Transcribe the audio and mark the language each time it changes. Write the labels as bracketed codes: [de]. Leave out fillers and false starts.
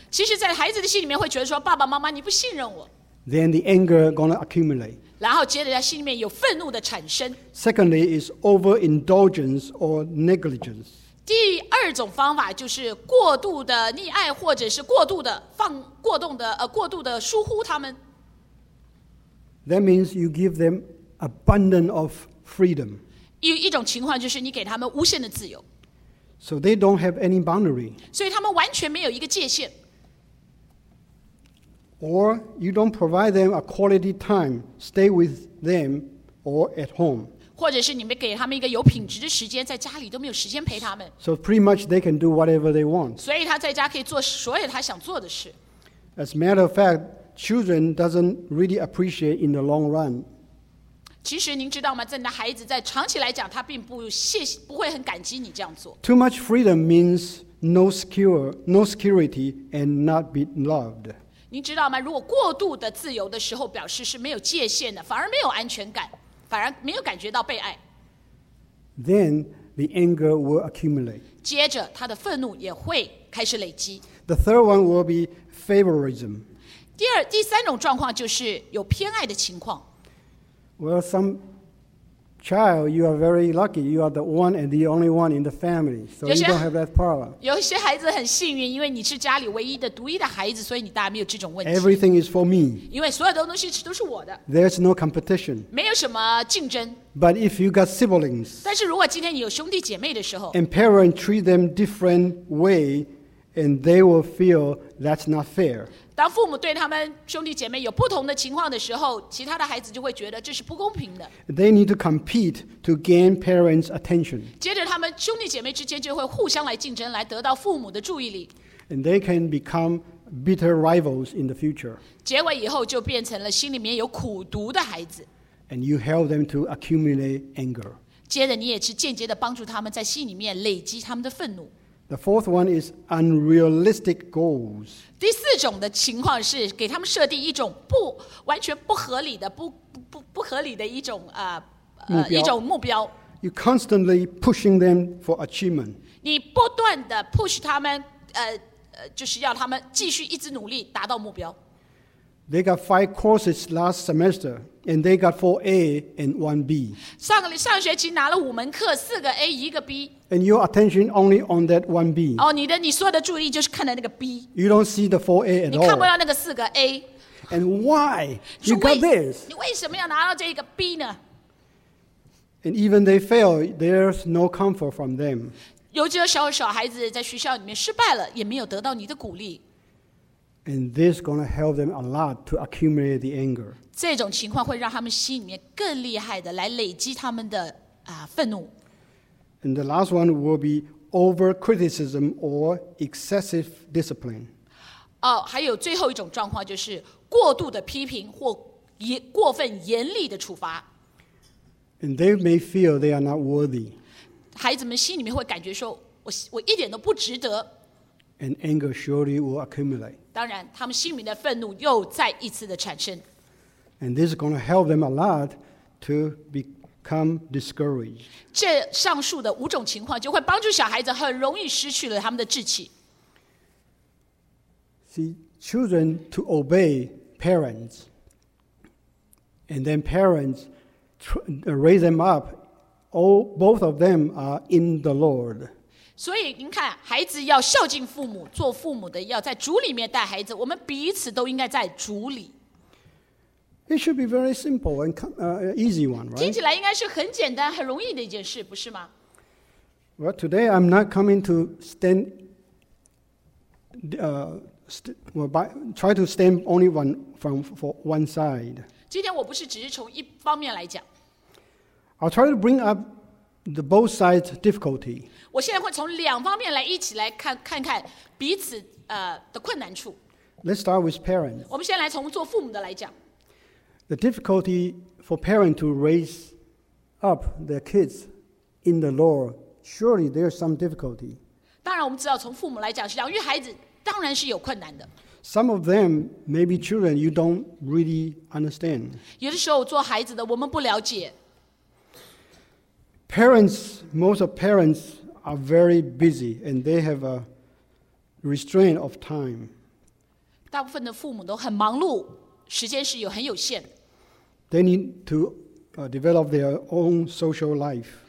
[zh] 其实，在孩子的心里面会觉得说，爸爸妈妈，你不信任我。 [en] Then the anger gonna accumulate. [zh] 然后接着在心里面有愤怒的产生。 [en] Secondly, is overindulgence or negligence. [zh] 第二种方法就是过度的溺爱，或者是过度的放过动的过度的疏忽他们。 [en] That means you give them abundance of freedom. [zh] 一种情况就是你给他们无限的自由。 [en] So they don't have any boundary. [zh] 所以他们完全没有一个界限。 [en] Or you don't provide them a quality time, stay with them or at home. [zh] 或者是你们给他们一个有品质的时间，在家里都没有时间陪他们。 [en] So pretty much they can do whatever they want. [zh] 所以他在家可以做所有他想做的事。 [en] As a matter of fact, children doesn't really appreciate in the long run. [zh] 其实您知道吗？在你的孩子在长期来讲，他并不谢谢，不会很感激你这样做。 [en] Too much freedom means no security and not being loved. [zh] 您知道吗？如果过度的自由的时候，表示是没有界限的，反而没有安全感，反而没有感觉到被爱。 [en] Then the anger will accumulate. [zh] 接着他的愤怒也会开始累积。 [en] The third one will be favoritism. [zh] 第三种状况就是有偏爱的情况。 [en] Well, some child, you are very lucky. You are the one and the only one in the family, so you don't have that problem. [zh] 有些孩子很幸运，因为你是家里唯一的、独一的孩子，所以你大概没有这种问题。 [en] Everything is for me. [zh] 因为所有的东西都是我的。 [en] There's no competition. [zh] 没有什么竞争。 [en] But if you got siblings, [zh] 但是如果今天你有兄弟姐妹的时候 [en] ，and parents treat them different way, and they will feel that's not fair. [zh] 当父母对他们兄弟姐妹有不同的情况的时候，其他的孩子就会觉得这是不公平的。 [en] They need to compete to gain parents' attention. [zh] 接着，他们兄弟姐妹之间就会互相来竞争，来得到父母的注意力。 [en] And they can become bitter rivals in the future. [zh] 结果以后就变成了心里面有苦毒的孩子。 [en] And you help them to accumulate anger. [zh] 接着，你也是间接的帮助他们在心里面累积他们的愤怒。 [en] The fourth one is unrealistic goals. [zh] 第四种的情况是给他们设定一种不完全不合理的、不合理的一种目标。 [en] You constantly pushing them for achievement. [zh] 你不断的 push 他们，就是要他们继续一直努力达到目标。 [en] They got 5 courses last semester, and they got 4 A and 1 B. [zh] 上学期拿了5门课，4个 A， 1个 B。 [en] And your attention only on that 1B. [zh] 哦，你所有的注意就是看的那个 B. [en] You don't see the 4A at all. [zh] 你看不到那个4个 A. [en] And why you got this? [zh] 你为什么要拿到这个 B 呢？ [en] And even they fail, there's no comfort from them. [zh] 尤其小孩子在学校里面失败了，也没有得到你的鼓励。 [en] And this is going to help them a lot to accumulate the anger. [zh] 这种情况会让他们心里面更厉害的来累积他们的愤怒。 [en] And the last one will be over-criticism or excessive discipline. [zh] 哦，还有最后一种状况就是过度的批评或过分严厉的处罚。 [en] And they may feel they are not worthy. [zh] 孩子们心里面会感觉说我一点都不值得。 [en] And anger surely will accumulate. [zh] 当然，他们心里面的愤怒又再一次的产生。 [en] And this is going to help them a lot to become discouraged. [zh] 这上述的五种情况就会帮助小孩子很容易失去了他们的志气。 [en] See, children to obey parents, and then parents raise them up. All, both of them are in the Lord. [zh] 所以您看，孩子要孝敬父母，做父母的要在主里面带孩子，我们彼此都应该在主里。 [en] It should be very simple and easy one, right? [zh] 听起来应该是很简单、很容易的一件事，不是吗？ [en] Well, today I'm not coming to stand, try to stand only one from for one side. [zh] 今天我不是只是从一方面来讲。 [en] I'll try to bring up the both sides' difficulty. [zh] 我现在会从两方面来一起来看看看彼此的困难处。 [en] Let's start with parents. [zh] 我们先来从做父母的来讲。 [en] The difficulty for parents to raise up their kids in the Lord, surely there's some difficulty. [zh] 当然我们知道从父母来讲，养育孩子当然是有困难的。 [en] Some of them may be children you don't really understand. [zh] 有的时候做孩子的我们不了解。 [en] Parents, most of parents are very busy and they have a restraint of time. [zh] 大部分的父母都很忙碌。时间是有很有限的。 [en] They need to develop their own social life.